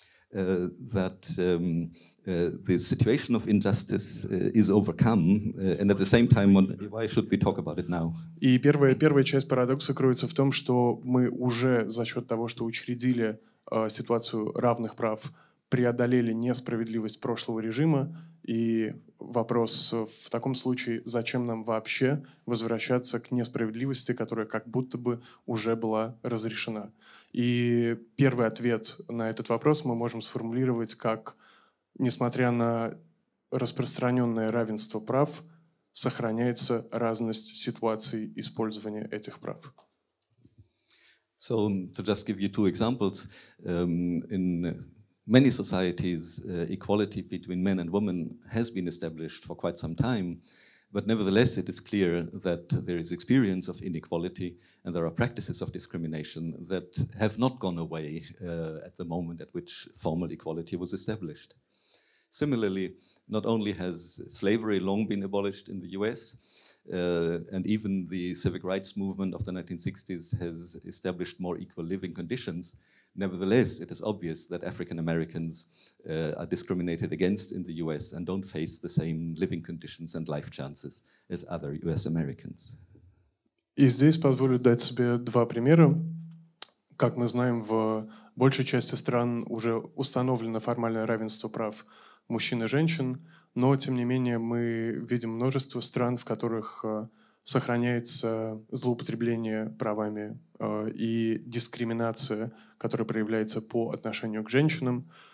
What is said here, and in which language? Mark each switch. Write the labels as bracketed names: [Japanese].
[English] the situation of injustice is overcome, and at the same time, why should we talk about it now? [Russian] И первая часть парадокса кроется в том, что мы уже за счет того, что учредили ситуацию равных прав, преодолели несправедливость прошлого режима, и вопрос в таком случае, зачем нам вообще возвращаться к несправедливости, которая как будто бы уже была разрешена? И первый ответ на этот вопрос мы можем сформулировать как: несмотря на распространенное равенство прав, сохраняется разность ситуаций использования этих прав. [English] So, to just give you two examples, in many societies, equality between men and women has been established for quite some time, but nevertheless, it is clear that there is experience of inequality and there are practices of discrimination that have not gone away at the moment at which formal equality was established. Similarly, not only has slavery long been abolished in the US, and even the civil rights movement of the 1960s has established more equal living conditions, nevertheless, it is obvious that African Americans are discriminated against in the US and don't face the same living conditions and life chances as other US Americans. [Russian] И здесь позволю дать себе два примера. Как мы знаем, в большей части стран уже установлено формальное равенство прав мужчин и женщин, но, тем не менее, мы видим множество стран, в которых сохраняется злоупотребление правами и дискриминация, которая проявляется по отношению к женщинам.